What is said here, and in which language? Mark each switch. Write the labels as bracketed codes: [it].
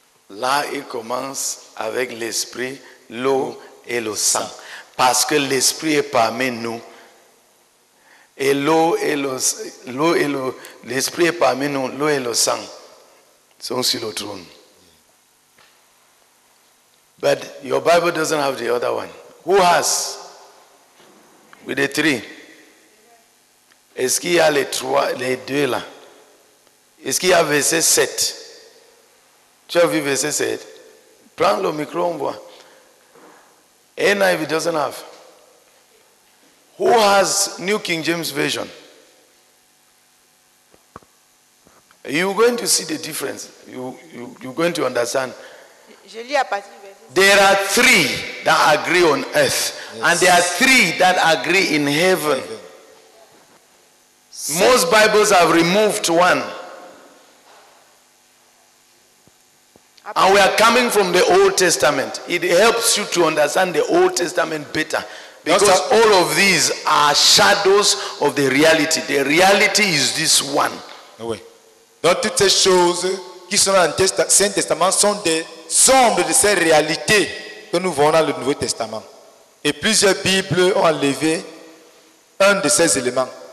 [fr] Là, il commence avec l'Esprit, l'eau et le sang. Parce que l'Esprit est parmi nous. Et l'Esprit est parmi nous, l'eau et le sang sont sur le trône. [en] But your Bible doesn't have the other one. Who has? With the three. [fr] Est-ce qu'il y a les trois, les deux là? Est-ce qu'il y a verset 7? Tu as vu verset 7? Prends le micro, on voit. [en] NIV doesn't have. Who has New King James Version? You're going to see the difference. You're going to understand. [fr] Je lis à partir. [en] There are three that agree on earth. Yes. And there are three that agree in heaven. Okay. Most Bibles have removed one. And we are coming from the Old Testament. It helps you to understand the Old Testament better. Because all of these are shadows of the reality. The reality is this one. [fr] Oui. Donc toutes ces choses qui sont dans le Saint-Testament sont des ombres de ces réalités que nous voyons dans le Nouveau Testament. Et plusieurs Bibles ont enlevé un de ces éléments.